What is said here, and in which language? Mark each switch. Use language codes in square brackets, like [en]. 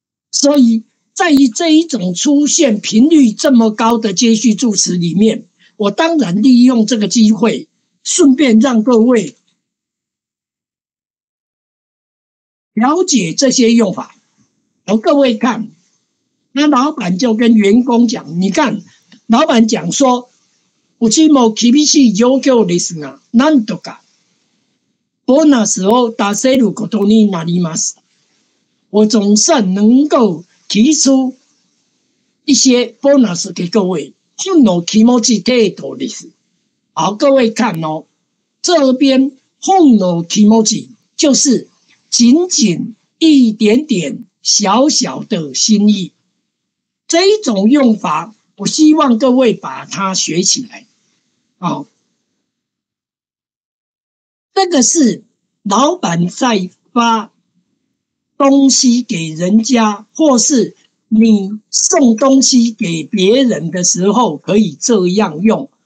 [zh] 所以在于这一种出现频率这么高的接续助词里面，我当然利用这个机会，顺便让各位了解这些用法。好，各位看。那老板就跟员工讲，你看，老板讲说，有什么 [ja] 厳しい状況ですが、なんとか、ボーナスを出せることになります。 [zh] 我总算能够提出一些ボーナス给各位， [ja] その気持ち程度です。 [zh] 好，各位看哦，这边 [ja] 本の気持ち [zh] 就是仅仅一点点小小的心意。这一种用法，我希望各位把它学起来。好、哦，这个是老板在发东西给人家，或是你送东西给别人的时候，可以这样用。